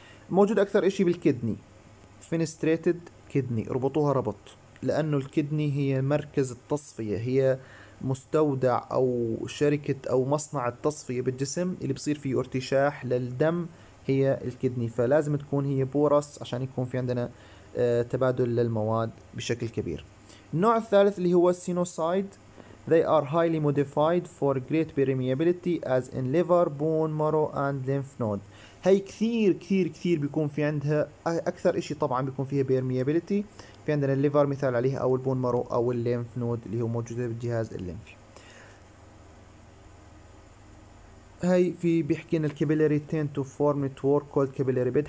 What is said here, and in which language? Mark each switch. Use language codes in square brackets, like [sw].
[ar] موجود اكثر اشي بالكيدني، فينستريتد كيدني، ربطوها ربط، لانه الكيدني هي مركز التصفية، هي مستودع او شركة او مصنع التصفية بالجسم اللي بصير فيه ارتشاح للدم هي الكيدني، فلازم تكون هي بورس عشان يكون في عندنا تبادل للمواد بشكل كبير. النوع الثالث اللي هو السينوسايد. [en] They are highly modified for great permeability as in liver, bone marrow and lymph node. [ar] هاي كثير كثير كثير بيكون في عندها اكثر اشي طبعا بيكون فيها permeability. في عندنا الليفر مثال عليها، او البون مارو، او الليمف نود اللي هو موجودة بالجهاز الليمفي. هاي في بيحكينا [en] الكابيلاري then to form network called capillary bed.